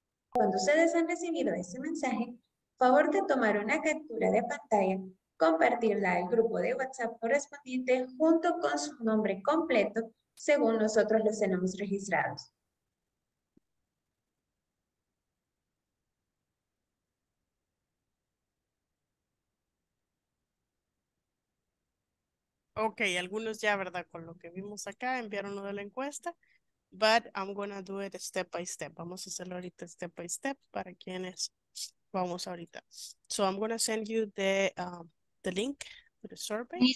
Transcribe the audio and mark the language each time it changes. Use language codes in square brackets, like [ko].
[es] Cuando ustedes han recibido este mensaje, favor de tomar una captura de pantalla, compartirla al grupo de WhatsApp correspondiente junto con su nombre completo, según nosotros los tenemos registrados. Ok, algunos ya, ¿verdad? Con lo que vimos acá, enviaron lo de la encuesta. [en] But I'm going to do it step by step. [es] Vamos a hacerlo ahorita [en] step by step [es] para quienes vamos ahorita. [en] So I'm going to send you the link to the survey.